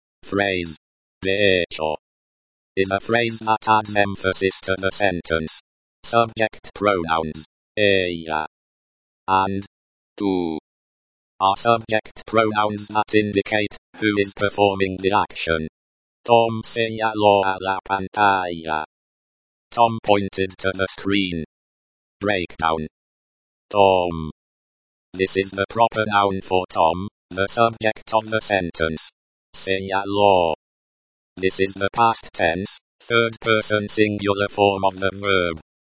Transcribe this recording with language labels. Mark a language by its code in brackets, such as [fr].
[en] Phrase. [es] De hecho. [en] Is a phrase that adds emphasis to the sentence. Subject pronouns. [es] Ella. [en] And. [es] Tú. [en] Are subject pronouns that indicate who is performing the action. [es] Tom señaló a la pantalla. [en] Tom pointed to the screen. Breakdown. Tom. This is the proper noun for Tom, the subject of the sentence. [es] Señaló. [en] This is the past tense, third person singular form of the verb.